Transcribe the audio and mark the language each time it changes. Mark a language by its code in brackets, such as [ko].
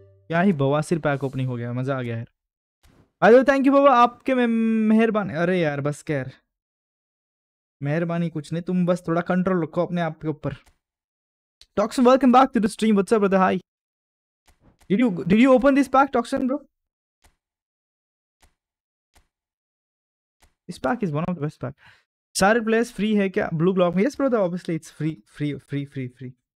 [hi] क्या ही बवासीर pack opening हो गया, मजा आ गया यार. अरे थैंक यू बाबा, आपके मेहरबान. अरे यार बस खैर, मेहरबानी कुछ नहीं, तुम बस थोड़ा कंट्रोल रखो अपने आप के ऊपर. [en] Toxin welcome back to the stream, what's up brother, hi. Did you open this pack Toxin bro? This pack is one of the best pack. [hi] सारे प्लेयर्स फ्री है क्या ब्लू ब्लॉक में? [en] Yes brother, obviously it's free free free free free.